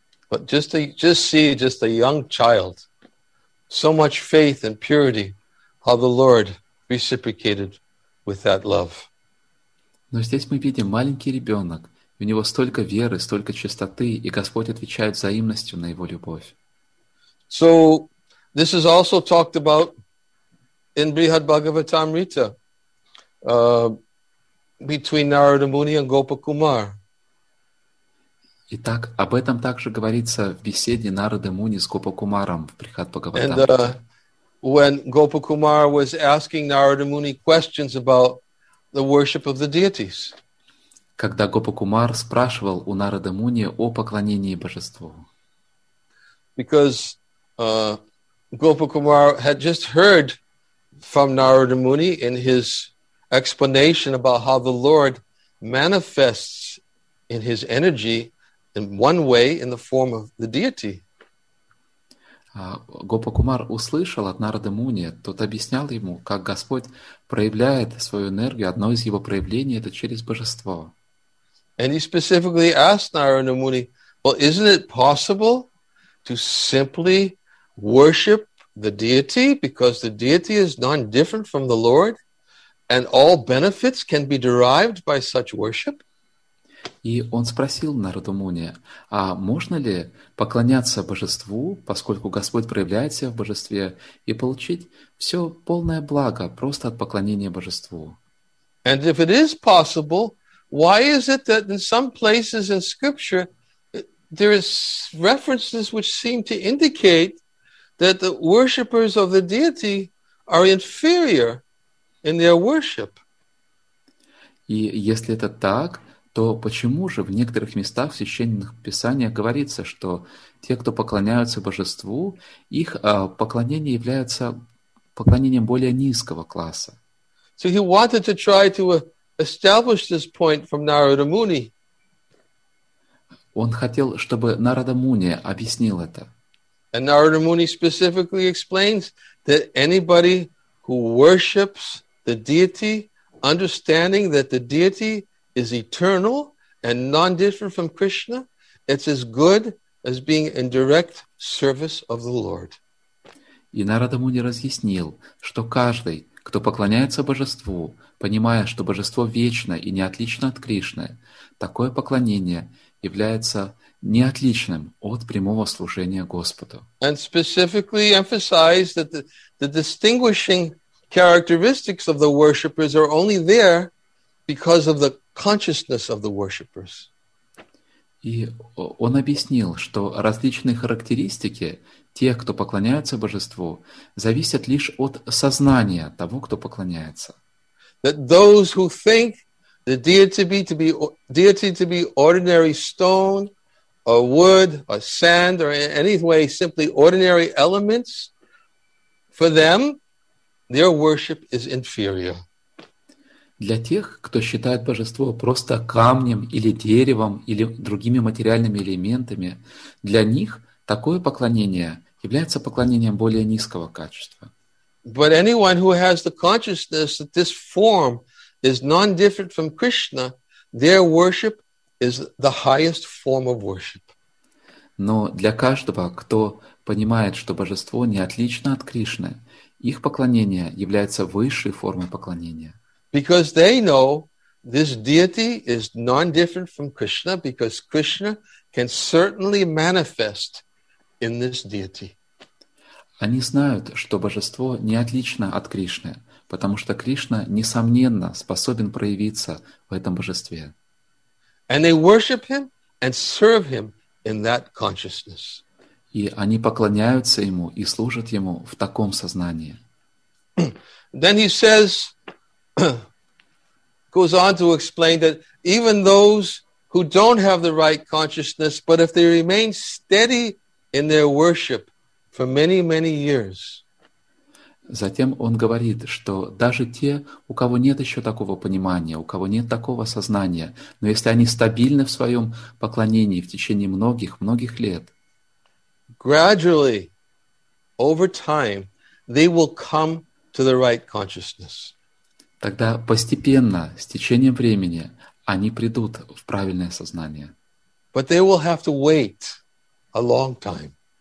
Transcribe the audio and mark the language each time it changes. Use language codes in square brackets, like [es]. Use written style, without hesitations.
[en] But just a young child, so much faith and purity, how the Lord reciprocated with that love. [ru] Но здесь мы видим маленький ребенок, и у него столько веры, столько чистоты, и Господь отвечает взаимностью на его любовь. [en] So, this is also talked about in Brihad Bhagavatamrita between Narada Muni and Gopa Kumar. [ru] Итак, об этом также говорится в беседе Нарады Муни с Гопа Кумаром в Брихад Бхагаватамрите. [en] And when Gopa Kumar was asking Narada Muni questions about the worship of the deities. [ru] Когда Гопакумар спрашивал у Нарада Муни о поклонении божеству. [en] Because Gopakumar had just heard from Narada Muni in his explanation about how the Lord manifests in his energy in one way in the form of the deity. [ru] Гопакумар услышал от Нарады Муни, тот объяснял ему, как Господь проявляет свою энергию, одно из его проявлений — это через божество. [en] And he specifically asked Narada Muni, well, isn't it possible to simply worship the deity, because the deity is non-different from the Lord, and all benefits can be derived by such worship? [ru] И он спросил Нараду Муни, а можно ли поклоняться божеству, поскольку Господь проявляет себя в божестве, и получить все полное благо просто от поклонения божеству? [en] And if it is possible, why is it that in some places in Scripture there is references which seem to indicate that the worshippers of the deity are inferior in their worship? [ru] И если это так, то почему же в некоторых местах в священных писаниях говорится, что те, кто поклоняются божеству, их поклонение является поклонением более низкого класса? [en] So he wanted to try to establish this point from Narada Muni. [ru] Он хотел, чтобы Нарада Муни объяснил это. [en] And Narada Muni specifically explains that anybody who worships the deity, understanding that the deity is eternal and non-different from Krishna, it's as good as being in direct service of the Lord. [ru] И Нарада Муни разъяснил, что каждый, кто поклоняется божеству, понимая, что божество вечно и не отлично от Кришны, такое поклонение является неотличным от прямого служения Господу. [en] And specifically emphasized that the distinguishing characteristics of the worshippers are only there because of the consciousness of the worshippers. [ru] И он объяснил, что различные характеристики тех, кто поклоняется божеству, зависят лишь от сознания того, кто поклоняется. [en] That those who think the deity to be ordinary stone or wood or sand or in any way simply ordinary elements, for them their worship is inferior. [ru] Для тех, кто считает божество просто камнем или деревом или другими материальными элементами, для них такое поклонение является поклонением более низкого качества. [en] But anyone who has the consciousness that this form is non-different from Krishna, their worship is the highest form of worship. [ru] Но для каждого, кто понимает, что божество не отлично от Кришны, их поклонение является высшей формой поклонения. [en] Because they know this deity is non-different from Krishna, because Krishna can certainly manifest in this deity. [ru] Они знают, что божество не отлично от Кришны, потому что Кришна, несомненно, способен проявиться в этом божестве. [en] And they worship him and serve him in that consciousness. [ru] И они поклоняются ему и служат ему в таком сознании. [en] Then he says, goes on to explain that even those who don't have the right consciousness, but if they remain steady in their worship for many, many years. [ru] Затем он говорит, что даже те, у кого нет еще такого понимания, у кого нет такого сознания, но если они стабильны в своем поклонении в течение многих-многих лет, [en] gradually, over time, they will come to the right consciousness. [ru] Тогда постепенно, с течением времени, они придут в правильное сознание. [en] But they will have to wait a long time.